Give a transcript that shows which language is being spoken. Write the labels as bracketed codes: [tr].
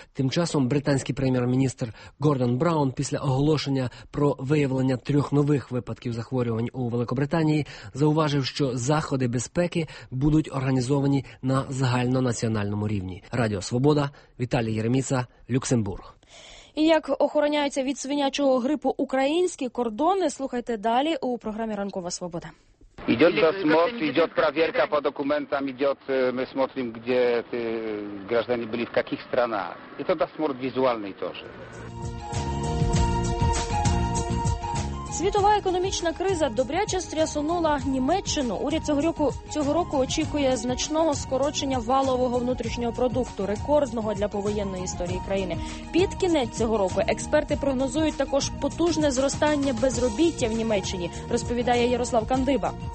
[uk] Тим часом британський прем'єр-міністр Гордон Браун після оголошення про виявлення трьох нових випадків захворювань у Великобританії зауважив, що заходи безпеки будуть організовані на загальнонаціональному рівні. Радіо «Свобода», Віталій Єреміця, Люксембург. І як охороняються від свинячого грипу українські кордони, слухайте далі у програмі «Ранкова свобода». [ru] Идет досмотр, идет проверка по документам, идет, мы смотрим, где ты, граждане были, в каких странах. Это досмотр визуальный тоже. [uk] Світова економічна криза добряче стрясунула Німеччину. Уряд цього року очікує значного скорочення валового внутрішнього продукту, рекордного для повоєнної історії країни. Під кінець цього року експерти прогнозують також потужне зростання безробіття в Німеччині, розповідає Ярослав Кандиба.